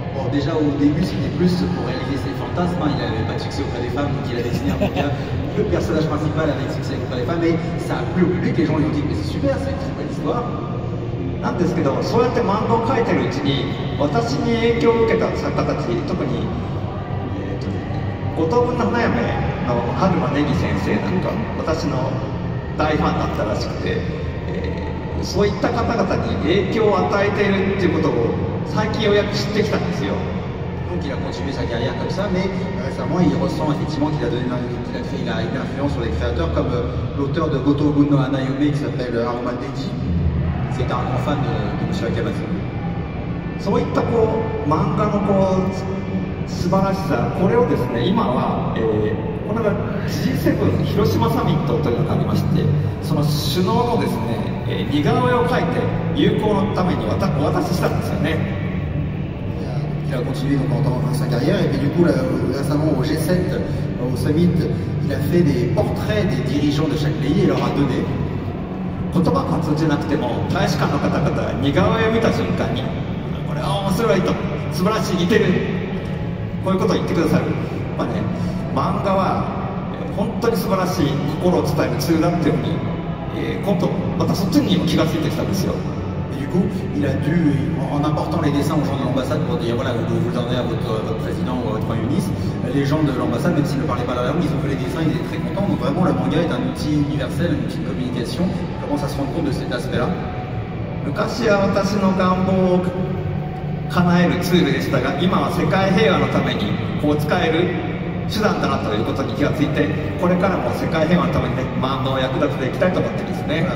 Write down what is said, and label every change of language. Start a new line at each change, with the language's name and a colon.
French: Déjà au début, c'était plus pour réaliser ses fantasmes. Il n'avait pas de succès auprès des femmes, donc il a dessiné un manga. Le personnage principal avait de succès auprès des femmes, et ça a plu au public. Les gens lui ont dit, mais c'est super, c'est une très belle histoire.
Japanese: なんですけど、そうやって漫画を描いてるうちに、私に影響を受けた作家たち、特に、五等分の花嫁の春間ネギ先生なんか、私の大ファンだったらしくて、そういった方々に影響を与えているっていうことを最近ようやく知ってきたんですよ。
French: Donc il a continué sa carrière comme ça, mais récemment il ressent effectivement qu'il a donné il a une influence sur les créateurs comme l'auteur de Gotobun no Hanayome qui s'appelle Haruma Neji. C'est un grand fan de M. Akamatsu.
Japanese: そういったこう漫画のこう素晴らしさ、これをですね、今は、この G7 広島サミットというのがありまして、その首脳のですね、似顔絵を描いて友好のためにお渡ししたんですよね。
French: Il a continué donc pendant sa carrière et puis du coup là, récemment au G7, au summit, il a fait des portraits des dirigeants de chaque pays et leur a donné.
Japanese: 言葉が通じなくても大使館の方々が似顔絵を見た瞬間にこれは面白いと素晴らしい似てるこういうことを言ってくださる、まあね、漫画は本当に素晴らしい心を伝えるツールだっていうのに、今度またそっちにも気が付いてきたんですよ。
French: Du coup, il a dû, en apportant les dessins aux gens de l'ambassade pour dire voilà, vous le donnez à votre président ou à votre premier ministre, les gens de l'ambassade, même s'ils ne parlaient pas la langue, ils ont vu les dessins, ils étaient très contents. Donc vraiment, le manga est un outil universel, un outil de communication. On commence à se rendre compte de cet aspect-là. Le cachet à votre nombre, canaille le tueur de l'estaga, il m'a fait qu'à l'heure de la famille, pour être qu'à l'heure, je suis dans la table, il faut qu'il y ait un
Japanese: これからも世界平和のためにね、万能役立てていきたいと思ってですね。